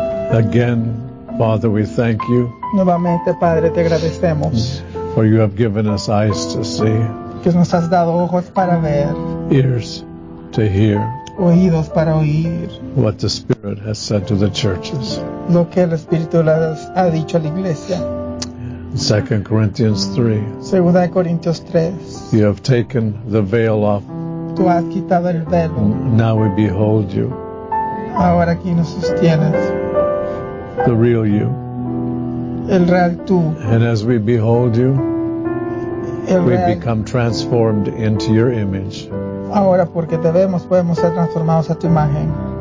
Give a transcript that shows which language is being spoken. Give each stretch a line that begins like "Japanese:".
English: Again, Father, we thank you.
Spanish: Nuevamente, Padre, te agradecemos.
English: For you have given us eyes to see.
Spanish: Que nos has dado ojos para ver.
English: Ears to hear.
Spanish: Oídos para oír.
English: What the Spirit has said to the churches.
Spanish: Lo que el Espíritu les ha dicho a la iglesia.
English: 2 Corinthians 3.
Spanish: Segunda Corintios 3.
English: You have taken the veil off.
Spanish: Tú has quitado el velo.
English: Now we behold you.
Spanish: Ahora aquí nos sostienes.
English: The real you.
Spanish: El real tú.
English: And as we behold you, we become transformed into your image.
Spanish: Ahora porque te vemos, podemos ser transformados a tu imagen.